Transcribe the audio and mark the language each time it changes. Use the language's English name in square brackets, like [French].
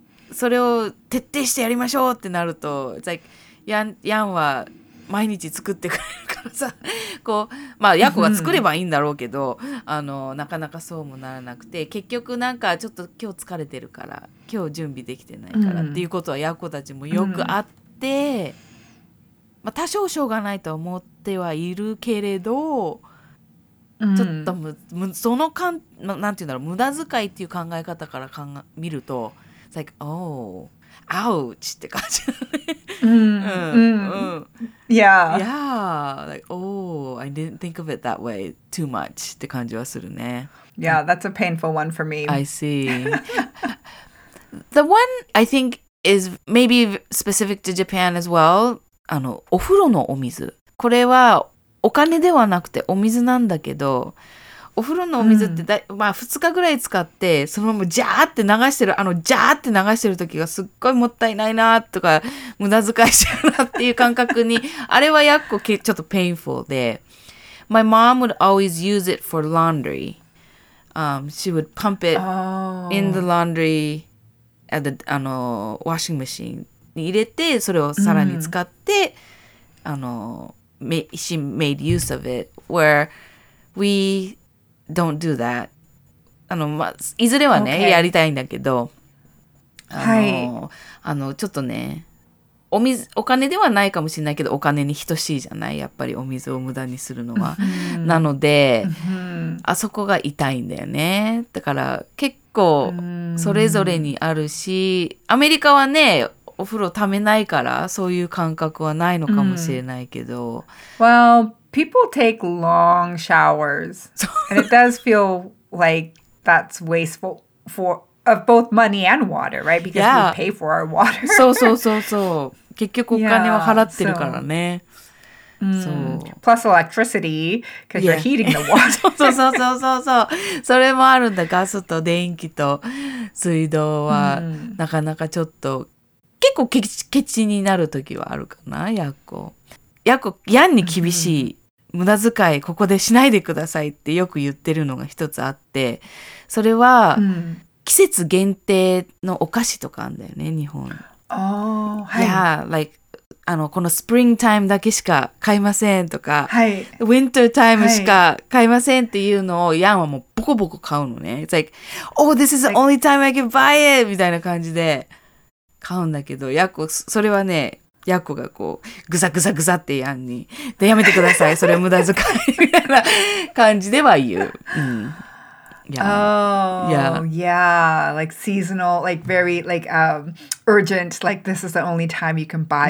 [Japanese] それを徹底してやりましょうってなると、 [English] It's like, [Japanese] ヤンは毎日作ってくれるからさ、こう、まあ、ヤコが作ればいいんだろうけど、なかなかそうもならなくて、結局なんかちょっと今日疲れてるから、今日準備できてないからっていうことはヤコたちもよくあって、まあ、多少しょうがないと思ってはいるけれど、ちょっとその感、なんていうんだろう、無駄遣いっていう考え方から見ると、 [English] It's like, oh, ouch, [Japanese] って感じ。 [English] Yeah. Yeah, like, oh, I didn't think of it that way too much, [Japanese] って感じはするね。 [English] Yeah, that's a painful one for me. I see. The one I think is maybe specific to Japan as well. [Japanese] あの、お風呂のお水。これはお金ではなくてお水なんだけど、お風呂のお水ってだ、うん、まあ2日ぐらい使ってそのままジャーって流してる、あのジャーって流してる時がすっごいもったいないなとか無駄遣いしてるなっていう感覚にあれはやっこちょっと painful で、 [English] My mom would always use it for laundry. She would pump it in the laundry at the あの washing machine [Japanese] に入れてそれをさらに使って、うん、あの [English] she made use of it where weDon't do that. [Japanese] あの、まあ、いずれはね、okay. やりたいんだけど、はい、あのちょっとね、お水、お金ではないかもしれないけど、お金に等しいじゃない、やっぱりお水を無駄にするのは。なので、あそこが痛いんだよね。だから結構それぞれにあるし、アメリカはね、お風呂貯めないからそういう感覚はないのかもしれないけど。 [English] Well. People take long showers, and it does feel like that's wasteful for, of both money and water, right? Because、yeah. we pay for our water. [Japanese] そうそうそうそう。結局お金は払ってるからね。 [English] Plus electricity, because、yeah. you're heating the water. [Japanese] そうそうそうそうそう。それもあるんだ。ガスと電気と水道はなかなかちょっと、結構ケチになる時はあるかな、やっこ。やっこ、やんに厳しい、うん、無駄遣いここでしないでくださいってよく言ってるのが一つあって、それは、うん、季節限定のお菓子とかあるんだよね、日本。ああ、はい。いや、like、あの、このスプリングタイムだけしか買いませんとか、はい、ウィンタータイムしか買いませんっていうのを、やんはもうボコボコ買うのね。 [English] It's like, oh, this is the only time I can buy it! [Japanese] みたいな感じで買うんだけど、やっこ、それはね、ヤコがこうグザグザグザってやんにでやめてくださいそれ無駄遣いみたいな感じでは言う、うん、 [English] yeah like seasonal like very like urgent like this is the only time you can buy